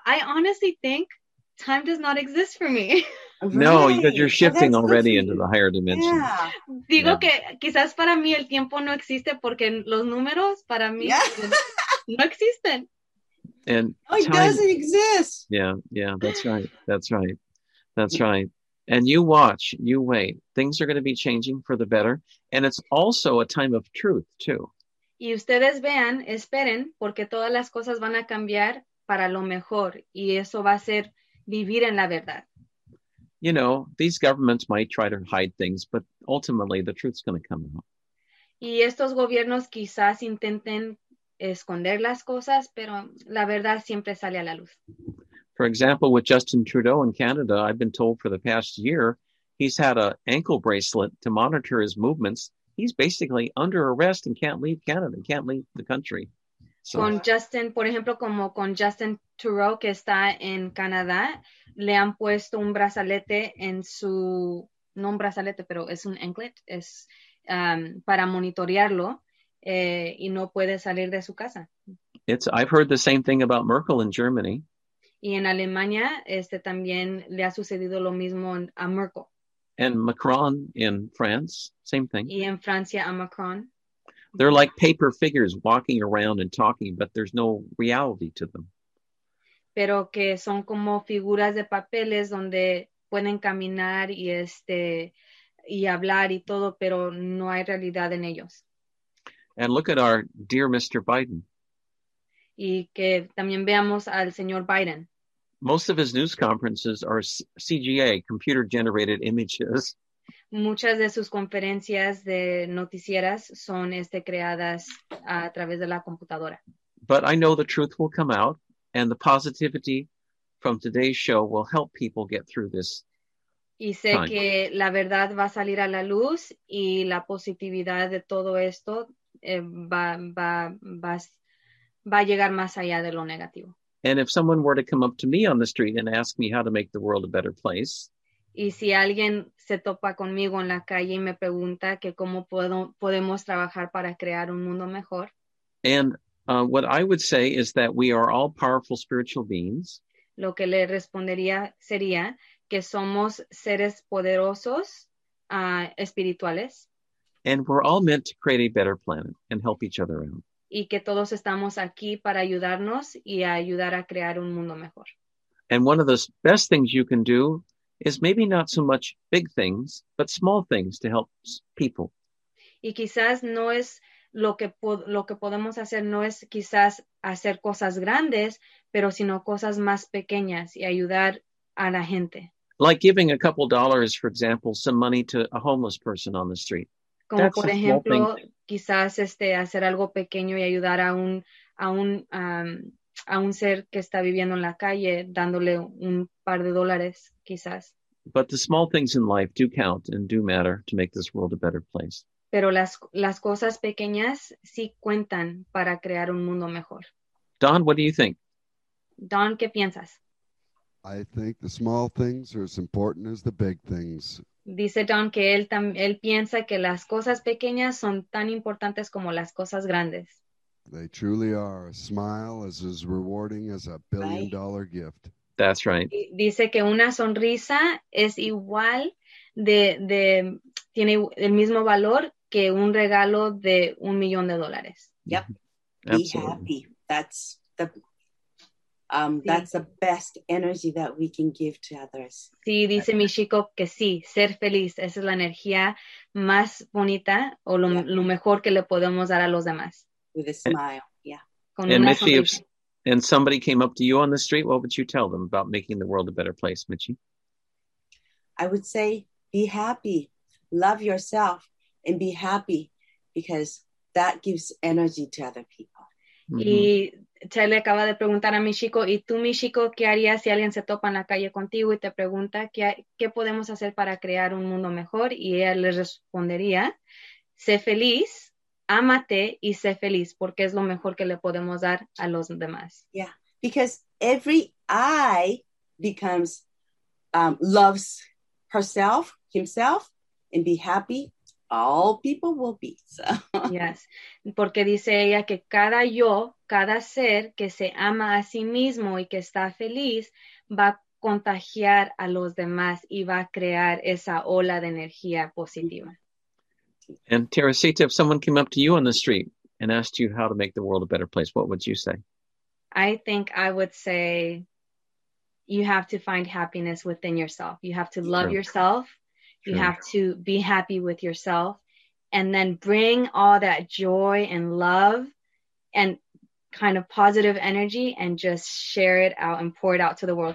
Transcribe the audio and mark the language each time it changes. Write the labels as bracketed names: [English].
[English] I honestly think time does not exist for me. No, because you're shifting already into the higher dimension. Yeah. [Spanish] Digo que quizás para mí el tiempo no existe porque los números para mí no existen. [English] And it doesn't exist. Yeah, that's right. And you watch, you wait. Things are going to be changing for the better. And it's also a time of truth, too. [Spanish] Y ustedes vean, esperen, porque todas las cosas van a cambiar para lo mejor. Y eso va a ser vivir en la verdad. [English] You know, these governments might try to hide things, but ultimately the truth's going to come out. [Spanish] Y estos gobiernos quizás intenten esconder las cosas, pero la verdad siempre sale a la luz. [English] For example, with Justin Trudeau in Canada, I've been told for the past year, he's had an ankle bracelet to monitor his movements. He's basically under arrest and can't leave Canada, can't leave the country. So. [Spanish] Con Justin, por ejemplo, como con Justin Trudeau, que está en Canadá, le han puesto un brazalete en su, no un brazalete, pero es un anklet, es para monitorearlo y no puede salir de su casa. [English] I've heard the same thing about Merkel in Germany. [Spanish] Y en Alemania, también le ha sucedido lo mismo a Merkel. [English] And Macron in France, same thing. [Spanish] Y en Francia a Macron. [English] They're like paper figures walking around and talking, but there's no reality to them. [Spanish] Pero que son como figuras de papeles donde pueden caminar y y hablar y todo, pero no hay realidad en ellos. [English] And look at our dear Mr. Biden. [Spanish] y que también veamos al señor Biden. [English] Most of his news conferences are CGA, computer-generated images. [Spanish] Muchas de sus conferencias de noticieras son creadas a través de la computadora. [English] But I know the truth will come out, and the positivity from today's show will help people get through this. [Spanish] Y sé que la verdad va a salir a la luz, y la positividad de todo esto va a llegar más allá de lo negativo. [English] And if someone were to come up to me on the street and ask me how to make the world a better place. [Spanish] Y si alguien se topa conmigo en la calle y me pregunta que cómo podemos trabajar para crear un mundo mejor. [English] And what I would say is that we are all powerful spiritual beings. [Spanish] Lo que le respondería sería que somos seres poderosos espirituales. [English] And we're all meant to create a better planet and help each other out. [Spanish] Y que todos estamos aquí para ayudarnos y a ayudar a crear un mundo mejor. [English] And one of the best things you can do is maybe not so much big things, but small things to help people. [Spanish] Y quizás no es lo que podemos hacer, no es quizás hacer cosas grandes, pero sino cosas más pequeñas y ayudar a la gente. [English] Like giving a couple dollars, for example, some money to a homeless person on the street. [Spanish] Como That's por ejemplo, quizás hacer algo pequeño y ayudar a un ser que está viviendo en la calle, dándole un par de dólares, quizás. [English] But the small things in life do count and do matter to make this world a better place. [Spanish] Pero las cosas pequeñas sí cuentan para crear un mundo mejor. [English] Don, what do you think? [Spanish] Don, ¿qué piensas? [English] I think the small things are as important as the big things. [Spanish] Dice Don que él piensa que las cosas pequeñas son tan importantes como las cosas grandes. [English] They truly are. A smile is as rewarding as a billion dollar gift. That's right. [Spanish] Dice que una sonrisa es igual de tiene el mismo valor que un regalo de $1,000,000. [English] Yep. Absolutely. Be happy. That's the best energy that we can give to others. [Spanish] Sí, dice mi chico que sí, ser feliz. Esa es la energía más bonita o lo mejor que le podemos dar a los demás. [English] With a smile, Michi, and somebody came up to you on the street, what would you tell them about making the world a better place, Michi? I would say, be happy, love yourself, and be happy because that gives energy to other people. [Spanish] Mm-hmm. Y Chile acaba de preguntar a mi chico, ¿y tú, mi chico, qué harías si alguien se topa en la calle contigo y te pregunta qué podemos hacer para crear un mundo mejor? Y ella le respondería, sé feliz, ámate y sé feliz, porque es lo mejor que le podemos dar a los demás. [English] Yeah, because every I becomes, loves herself, himself, and be happy. All people will be. So. [Spanish] Yes, porque dice ella que cada yo, cada ser que se ama a sí mismo y que está feliz, va a contagiar a los demás y va a crear esa ola de energía positiva. [English] And Teresita, if someone came up to you on the street and asked you how to make the world a better place, what would you say? I think I would say you have to find happiness within yourself. You have to love yourself. You have to be happy with yourself and then bring all that joy and love and kind of positive energy and just share it out and pour it out to the world.